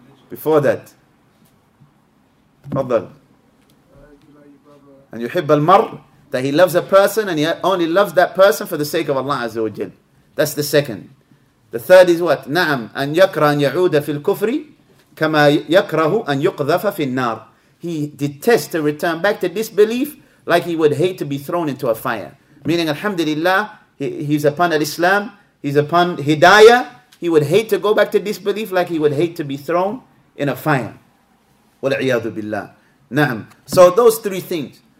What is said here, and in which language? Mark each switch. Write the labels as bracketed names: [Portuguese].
[English] Before that. Fadal. And [Arabic] يحب المر, [English] that he loves a person and he only loves that person for the sake of Allah Azza wa Jal. That's the second. The third is what? [Arabic] نعم أن يكره أن يعود في الكفر كما يكره أن يقذف في النار. [English] He detests to return back to disbelief like he would hate to be thrown into a fire. Meaning, alhamdulillah, he's upon al-Islam, he's upon hidayah, he would hate to go back to disbelief like he would hate to be thrown in a fire. [Arabic] وَالْعِيَاذُ بِاللَّهِ نَعْمُ [English] So those three things.